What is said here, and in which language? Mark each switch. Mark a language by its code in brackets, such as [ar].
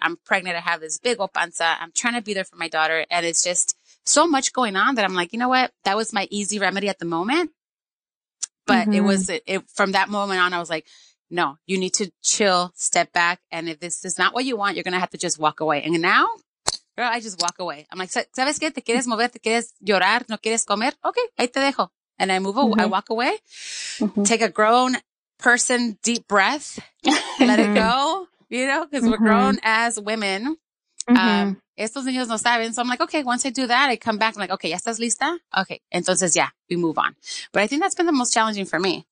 [en] I'm pregnant. I have this big old panza. I'm trying to be there for my daughter. And it's just so much going on that I'm like, you know what? That was my easy remedy at the moment. But it was from that moment on, I was like, no, you need to chill, step back. And if this is not what you want, you're going to have to just walk away. And now, girl, I just walk away. I'm like, [es] ¿sabes qué? ¿Te quieres mover? ¿Te quieres llorar? ¿No quieres comer? Okay, ahí te dejo. [en] and I move away, mm-hmm. I walk away, mm-hmm. take a grown person deep breath, let it go, you know, because mm-hmm. we're grown as women. Mm-hmm. [es] Estos niños no saben. [en] So I'm like, okay, once I do that, I come back. I'm like, okay, [es] ya estás lista? [en] Okay. [es] Entonces, [en] yeah, we move on. But I think that's been the most challenging for me.